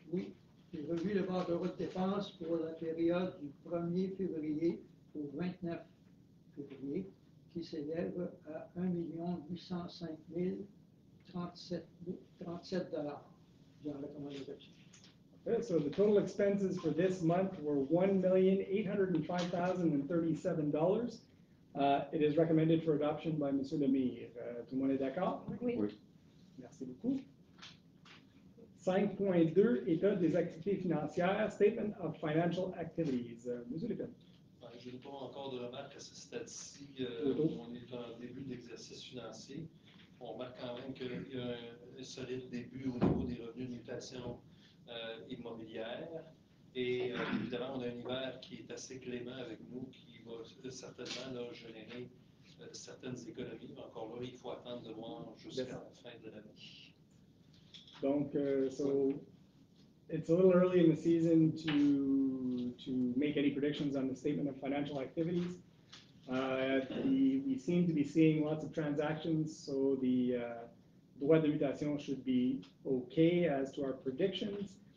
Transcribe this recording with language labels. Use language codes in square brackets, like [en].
[fr] Oui, j'ai revu le bordereau de dépenses pour la période du 1er février au 29 février. Qui s'élève à 1,805,037 $. [en] Okay, so the total expenses for this month were $1,805,037. It is recommended for adoption by Monsieur Lemire. [fr] Tout le monde est d'accord? Oui. Merci beaucoup. 5.2, état des activités financières, [en] statement of financial activities. [fr] Monsieur Lepin. Je n'ai pas encore de remarques à ce stade-ci. On est en début d'exercice financier. On remarque quand même qu'il y a un solide début au niveau des revenus de mutation immobilière. Et évidemment, on a un hiver qui est assez clément avec nous, qui va certainement là, générer certaines économies. Mais encore là, il faut attendre de voir jusqu'à la fin de l'année. [en] Donc, it's a little early in the season to make any predictions on the statement of financial activities. We seem to be seeing lots of transactions, so the droit de mutation should be okay as to our predictions.